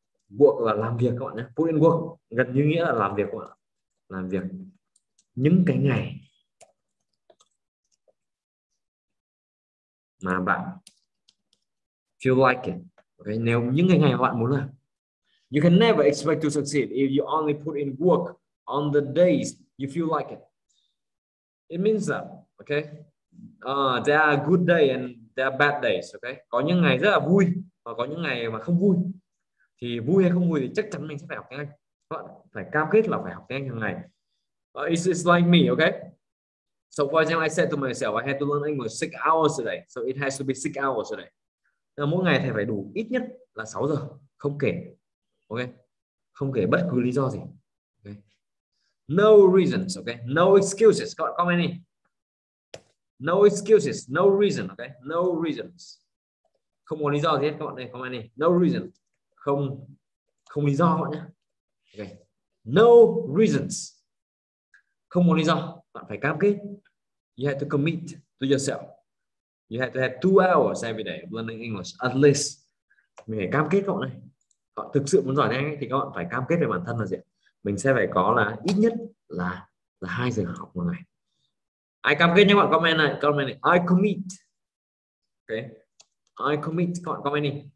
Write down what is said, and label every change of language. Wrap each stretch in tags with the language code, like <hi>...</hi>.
<vi>Work là làm việc các bạn nhé.</vi> <en>Put in work</en> <vi>gần như nghĩa là làm việc các bạn. Làm việc những cái ngày mà bạn</vi> <en>feel like it.</en> <vi>Okay. Nếu những cái ngày bạn muốn làm.</vi> <en>You can never expect to succeed if you only put in work on the days you feel like it. It means that, okay? There are good days and there are bad days, okay?</en> <vi>Có những ngày rất là vui và có những ngày mà không vui. Thì vui hay không vui thì chắc chắn mình sẽ phải học tiếng Anh. Các bạn phải cam kết là phải học tiếng Anh hàng ngày.</vi> <en>It's like me,</en> <vi>okay?</vi> <en>So for example, I said to myself, I had to learn English 6 hours a day. So it has to be 6 hours a day.</en> <vi>Nên mỗi ngày thầy phải đủ ít nhất là 6 giờ, không kể. Okay. Không kể bất cứ lý do gì. Okay.</vi> <en>No reasons,</en> <vi>okay?</vi> <en>No excuses.</en> <vi>Các bạn comment đi.</vi> <en>No excuses, no reason, okay? No reasons.</en> <vi>Không có lý do gì hết các bạn ơi, comment đi.</vi> <en>No reason.</en> <vi>Không lý do các bạn nhé. Okay.</vi> <en>No reasons.</en> <vi>Không có lý do, bạn phải cam kết.</vi> <en>You have to commit to yourself. You have to have 2 hours every day learning English at least.</en> <vi>mình phải cam kết các bạn này. Họ thực sự muốn giỏi tiếng Anh thì các bạn phải cam kết về bản thân là gì? Mình sẽ phải có là ít nhất là 2 giờ học một ngày. Ai cam kết nhé, các bạn comment này,</vi> <en>I commit.</en> <vi>Ok.</vi> <en>I commit,</en> <vi>các bạn comment đi.</vi>